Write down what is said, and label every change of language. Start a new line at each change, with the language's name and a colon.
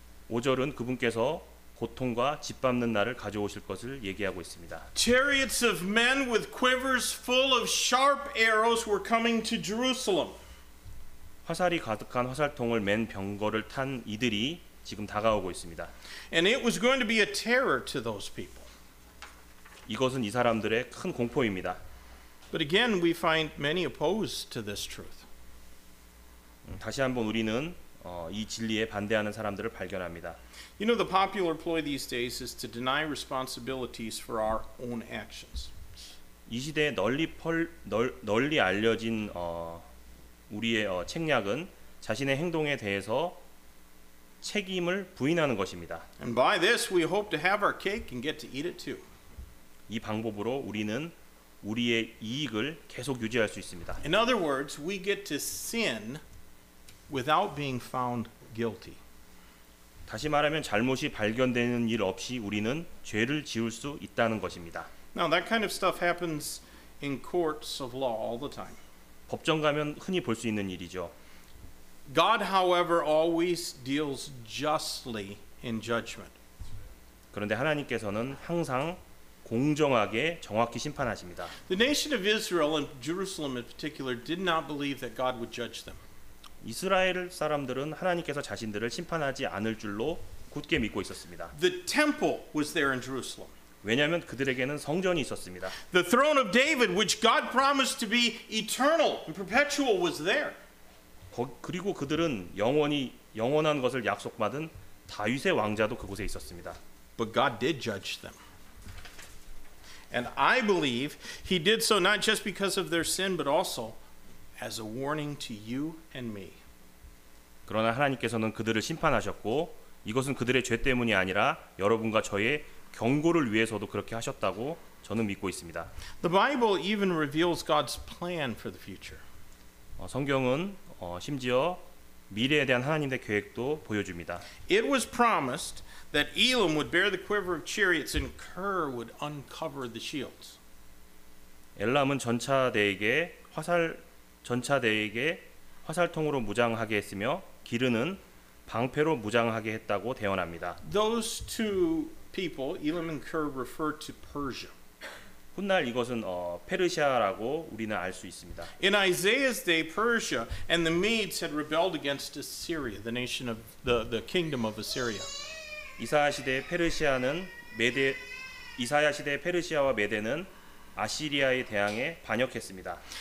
Korean: 5절은 그분께서 고통과 짓밟는 날을 가져오실 것을 얘기하고 있습니다.
English: Chariots of men with quivers full of sharp arrows were coming to Jerusalem.
Korean: 화살이 가득한 화살통을 맨 병거를 탄 이들이 지금 다가오고 있습니다.
English: And it was going to be a terror to those people.
Korean: 이것은 이 사람들의 큰 공포입니다.
English: But again, we find many opposed to this truth.
Korean: 다시 한번 우리는 이 진리에 반대하는 사람들을 발견합니다.
English: You know, the popular ploy these days is to deny responsibilities for our own actions.
Korean: 이 시대에 널리 알려진 우리의 책략은 자신의 행동에 대해서 책임을 부인하는 것입니다.
English: And by this, we hope to have our cake and get to eat it too.
Korean: 이 방법으로 우리는 우리의 이익을 계속 유지할 수 있습니다.
English: In other words, we get to sin without being found guilty.
Korean: 다시 말하면 잘못이 발견되는 일 없이 우리는 죄를 지을 수 있다는 것입니다.
English: Now that kind of stuff happens in courts of law all the time.
Korean: 법정 가면 흔히 볼 수 있는 일이죠.
English: God, however, always deals justly in judgment.
Korean: 그런데 하나님께서는 항상 공정하게 정확히 심판하십니다.
English: The nation of Israel and Jerusalem in particular did not believe that God would judge them.
Korean: 이스라엘 사람들은 하나님께서 자신들을 심판하지 않을 줄로 굳게 믿고 있었습니다.
English: The temple was there in Jerusalem.
Korean: 왜냐하면 그들에게는 성전이 있었습니다.
English: The throne of David, which God promised to be eternal and perpetual, was there.
Korean: 그리고 그들은 영원한 것을 약속받은 다윗의 왕좌도 그곳에 있었습니다.
English: But God did judge them. And I believe he did so not just because of their sin, but also as a warning to you and me.
Korean: 그러나 하나님께서는 그들을 심판하셨고 이것은 그들의 죄 때문이 아니라 여러분과 저의 경고를 위해서도 그렇게 하셨다고 저는 믿고 있습니다.
English: The Bible even reveals God's plan for the future.
Korean: 성경은 심지어 미래에 대한 하나님의 계획도 보여줍니다.
English: It was promised that Elam would bear the quiver of chariots and Kir would uncover the shields.
Korean: 엘람은 전차대에게 화살통으로 무장하게 했으며 기르는 방패로 무장하게 했다고 대언합니다.
English: Those two people, Elam and Kir, refer to Persia.
Korean: 훗날 이것은 페르시아라고 우리는 알 수 있습니다.
English: In Isaiah's day, Persia and the Medes had rebelled against Assyria, the nation of the kingdom of Assyria.
Korean: 이사야 시대의 페르시아와 메대는 아시리아에 대항해 반역했습니다.